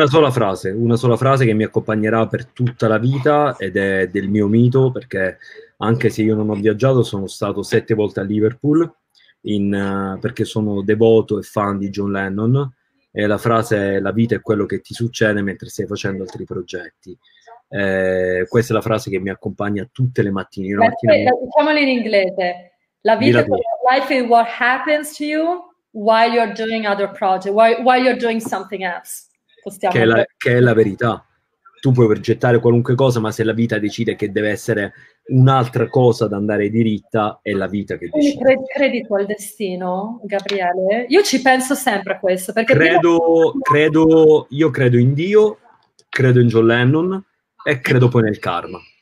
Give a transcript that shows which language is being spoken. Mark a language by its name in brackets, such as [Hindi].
[Italian] Una sola frase che mi accompagnerà per tutta la vita ed è del mio mito, perché anche se io non ho viaggiato, sono stato 7 volte a Liverpool. Perché sono devoto e fan di John Lennon, e la frase è: la vita è quello che ti succede mentre stai facendo altri progetti. Questa è la frase che mi accompagna tutte le mattine. Io la mattina mi dillo Diciamolo in inglese. La vita è tu. quello. [English] Life is what happens to you. While you're doing other project, while you're doing something else, [Italian] possiamo dire. Che è la verità. Tu puoi progettare qualunque cosa, ma se la vita decide che deve essere un'altra cosa da andare diritta, è la vita che Quindi decide. credi tu al destino, Gabriele? Io ci penso sempre a questo, perché prima. Io credo in Dio, credo in John Lennon e credo poi nel karma.